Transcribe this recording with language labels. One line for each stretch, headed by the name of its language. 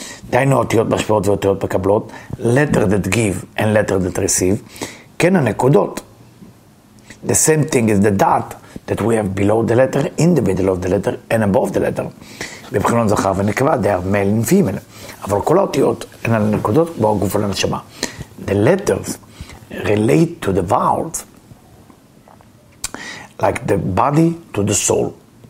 Hebrew: דיינו אותיות משפעות ואותיות מקבלות,
English: letter that give and letter that receive,
Hebrew: כן הנקודות.
English: The same thing is the dot that we have below the letter, in the middle of the letter, and above the letter.
Hebrew: בבחינות זכר ונקבה,
English: they are male and female.
Hebrew: אבל כל האותיות הן על הנקודות כמו הגוף על הנשמה.
English: The letters relate to the vowels, like the body to the soul.